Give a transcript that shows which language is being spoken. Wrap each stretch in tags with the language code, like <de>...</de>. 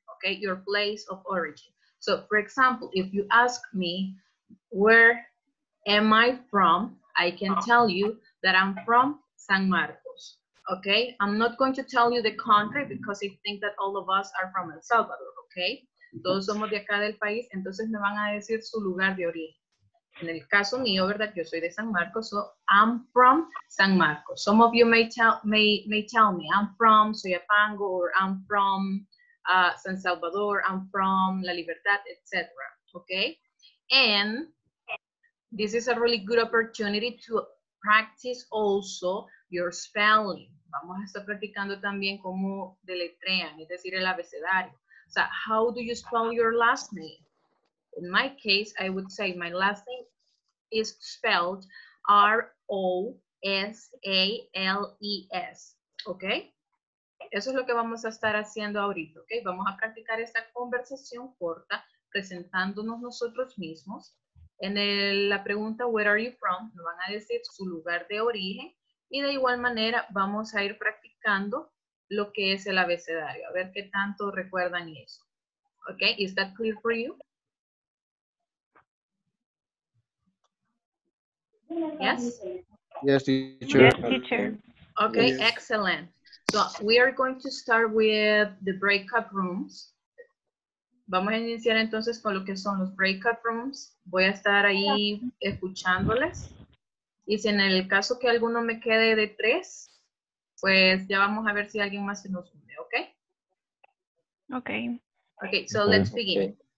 <en>Okay, your place of origin. So, for example, if you ask me, where am I from? I can tell you that I'm from San Marcos. Okay, I'm not going to tell you the country because I think that all of us are from El Salvador.</en> <es>Okay, todos somos de acá del país, entonces me van a decir su lugar de origen. En el caso mío, verdad, yo soy de San Marcos,</es> <en>so I'm from San Marcos. Some of you may tell me, I'm from Soyapango, or I'm from San Salvador, I'm from La Libertad, etc. Okay? And this is a really good opportunity to practice also your spelling.</en> <es>Vamos a estar practicando también cómo deletrean, es decir, el abecedario.</es> <en>So, how do you spell your last name? In my case, I would say my last name is spelled R-O-S-A-L-E-S. Okay?</en> <es>Eso es lo que vamos a estar haciendo ahorita, ¿ok? Vamos a practicar esta conversación corta, presentándonos nosotros mismos. En la pregunta,</es> <en>where are you from?</en> <es>Nos van a decir su lugar de origen. Y de igual manera, vamos a ir practicando lo que es el abecedario. A ver qué tanto recuerdan eso.</es> <en>¿Ok? Is that clear for you? Yes? Yes, teacher. Yes, teacher. Okay, yes. Excellent. So we are going to start with the breakout rooms.</en> <es>Vamos a iniciar entonces con lo que son los breakout rooms. Voy a estar ahí escuchándoles. Y si en el caso que alguno me quede de tres, pues ya vamos a ver si alguien más se nos une, ¿ok? Ok.</es> <en>Ok, so let's begin. Okay.</en>